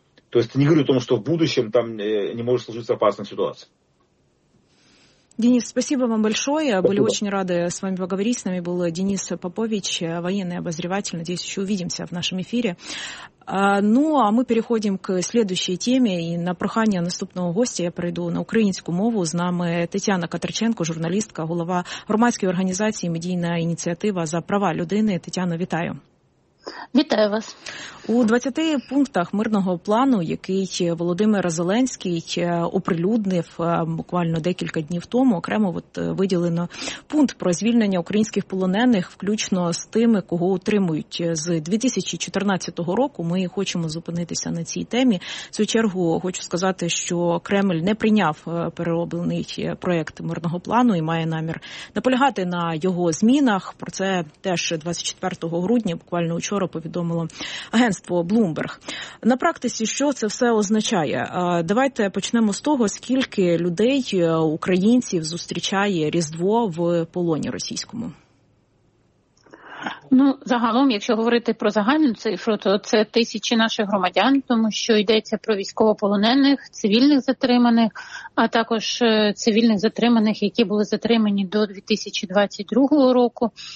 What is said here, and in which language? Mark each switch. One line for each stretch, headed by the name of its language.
Russian: То есть не говорю о том, что в будущем там не может сложиться опасная ситуация. Денис, спасибо вам большое. Спасибо. Были очень рады с вами поговорить. С нами был Денис Попович, военный обозреватель. Надеюсь, еще увидимся в нашем эфире. Ну, а мы переходим к следующей теме.
Ukrainian: И на прохання наступного гостя я перейду на українську мову. З нами Тетяна Катерченко, журналістка, голова громадської організації «Медійна ініціатива за права людини». Тетяна, вітаю. Вітаю вас. У 20 пунктах мирного плану, який Володимир Зеленський оприлюднив буквально декілька днів тому, окремо от виділено пункт про звільнення українських полонених, включно з тими, кого утримують з 2014 року. Ми хочемо зупинитися на цій темі. В свою чергу хочу сказати, що Кремль не прийняв перероблений проєкт мирного плану і має намір наполягати на його змінах. Про це теж 24 грудня, буквально вчора, повідомило агентство Bloomberg. На практиці що це все означає? Давайте почнемо з того, скільки людей, українців, зустрічає Різдво в полоні російському. Ну, загалом, якщо говорити про загальну цифру, то це тисячі наших громадян, тому що йдеться про військовополонених, цивільних затриманих, а також цивільних затриманих, які були затримані до 2022 року.